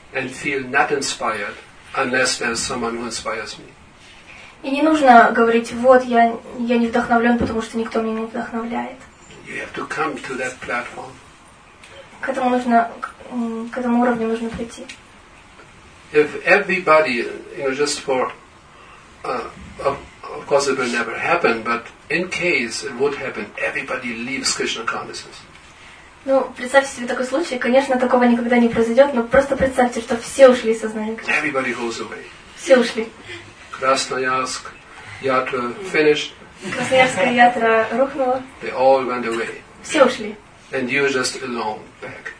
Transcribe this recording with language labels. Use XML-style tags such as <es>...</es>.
<en>And feel not inspired unless there's someone who inspires me.</en> <ru>И не нужно говорить, вот, я не вдохновлен, потому что никто меня не вдохновляет.</ru> <en>You have to come to that platform.</en> <ru>К этому уровню нужно прийти.</ru> <en>If everybody, you know, just for, of course it will never happen, but in case it would happen, everybody leaves Krishna consciousness.</en> <ru>Ну, представьте себе такой случай, конечно, такого никогда не произойдет, но просто представьте, что все ушли из сознания Кришны.</ru> <en>Everybody goes away.</en> <ru>Все ушли.</ru> <en>Krasnoyarsk Yatra finished.</en> <ru>Krasnoyarskaya Yatra рухнула.</ru> <en>They all went away.</en> <ru>Все ушли.</ru> <en>And you just alone back.</en>